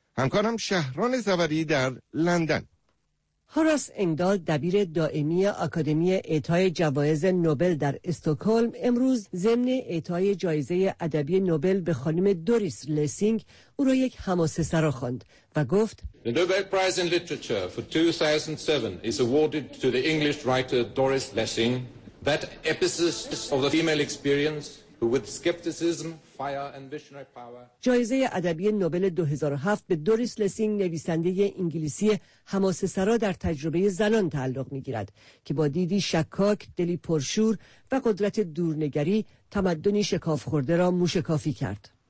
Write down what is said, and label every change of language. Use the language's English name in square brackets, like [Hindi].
[Persian] همکارم شهران زبری در لندن. هوراس انگدال، دبیر دائمی آکادمی اعطای جوایز نوبل در استکهلم، امروز ضمن اعطای جایزه ادبی نوبل به خانم دوریس لسینگ، او را یک حماسه سرا خواند و گفت: [English] The Nobel Prize in Literature for 2007 is awarded to the English writer Doris Lessing, that epicist of the female experience. With skepticism, fire and visionary power. [Persian] جایزه ادبی نوبل 2007 به دوریس لسینگ، نویسنده انگلیسی حماسه سرا در تجربه زنان تعلق می‌گیرد که با دیدی شکاک، دلی پرشور و قدرت دورنگری تمدنی شکاف خورده را موشکافی کرد.